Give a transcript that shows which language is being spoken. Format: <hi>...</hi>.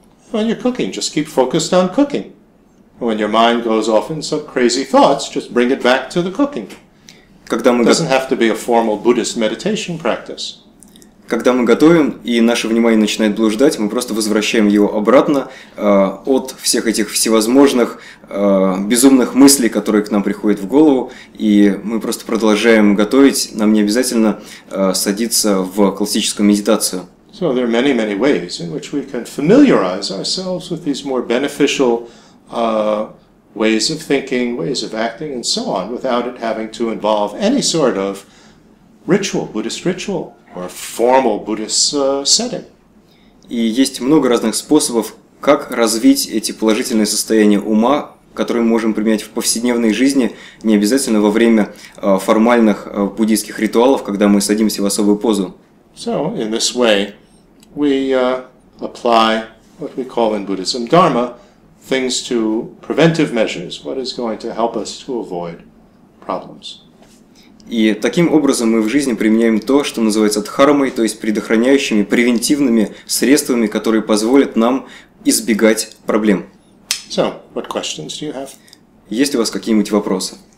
<en>When you're cooking, just keep focused on cooking. When your mind goes off in some crazy thoughts, just bring it back to the cooking.</en> <ru>Когда мы</ru> <en>doesn't have to be a formal Buddhist meditation practice.</en> <ru>Когда мы готовим, и наше внимание начинает блуждать, мы просто возвращаем его обратно от всех этих всевозможных безумных мыслей, которые к нам приходят в голову, и мы просто продолжаем готовить. Нам не обязательно садиться в классическую медитацию.</ru> <en>So there are many, many ways in which we can familiarize ourselves with these more beneficial ways of thinking, ways of acting, and so on, without it having to involve any sort of ritual, Buddhist ritual. Or formal Buddhist setting.</en> <ru>И есть много разных способов, как развить эти положительные состояния ума, которые мы можем применять в повседневной жизни, не обязательно во время формальных буддийских ритуалов, когда мы садимся в особую позу.</ru> <en>So in this way, we apply what we call in Buddhism dharma, things to preventive measures, what is going to help us to avoid problems.</en> <ru>И таким образом мы в жизни применяем то, что называется дхармой, то есть предохраняющими, превентивными средствами, которые позволят нам избегать проблем.</ru> <en>So, what questions do you have?</en> <ru>Есть у вас какие-нибудь вопросы?</ru>